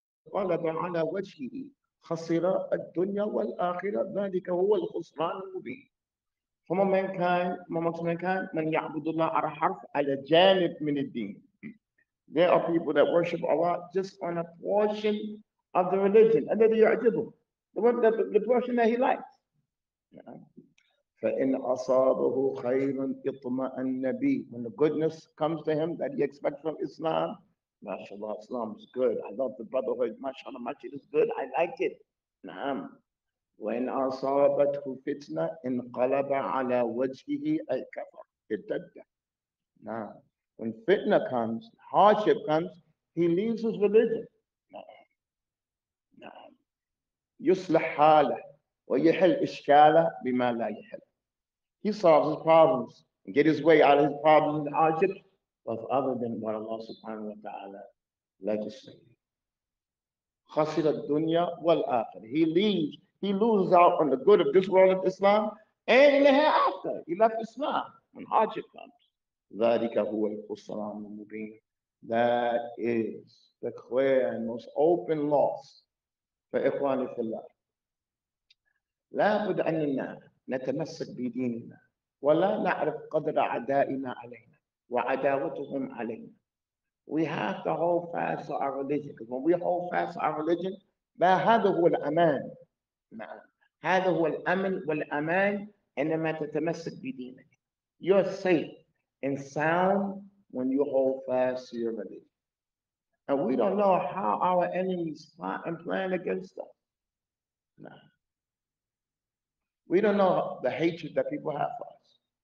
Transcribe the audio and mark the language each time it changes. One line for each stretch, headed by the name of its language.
Arabic: غلب على وجهه، خسر الدنيا والآخرة، ذلك هو الخسران المبين. فمن من كان من كان من يعبد الله على حرف، على جانب من الدين.
English: There are people that worship Allah just on a portion of the religion, and then
Arabic: يعجبهم
English: the portion that he likes.
Arabic: فإن أصابه خيرا اطمأن به.
English: When the goodness comes to him that he expects from Islam, MashaAllah, Islam is good. I love the brotherhood. MashaAllah, MashaAllah, it is good. I like it.
Arabic: نعم. وإن أصابته فتنة انقلب على وجهه الكفر. ارتد. نعم.
English: When fitna comes, hardship comes, he leaves his religion.
Arabic: نعم. نعم. يصلح حاله ويحل إشكاله بما لا يحل.
English: He solves his problems and get his way out of his problems and hardships of other than what Allah subhanahu wa ta'ala legislated.
Arabic: خسر الدنيا والآخر.
English: He leaves, he loses out on the good of this world of Islam and in the hereafter. He left Islam when hardship comes.
Arabic: ذلك هو الخسران المبين.
English: That is the clear and most open loss.
Arabic: فإخواني في الله. لابد أننا نتمسك بديننا ولا نعرف قدر أعدائنا علينا وعداوتهم علينا.
English: We have to hold fast to our religion. Because when we hold fast to our religion,
Arabic: هذا هو الأمان. هذا هو الأمن والأمان عندما تتمسك بدينك.
English: You're safe and sound when you hold fast to your religion. And we don't know how our enemies plot and plan against us. We don't know the hatred that people have for us.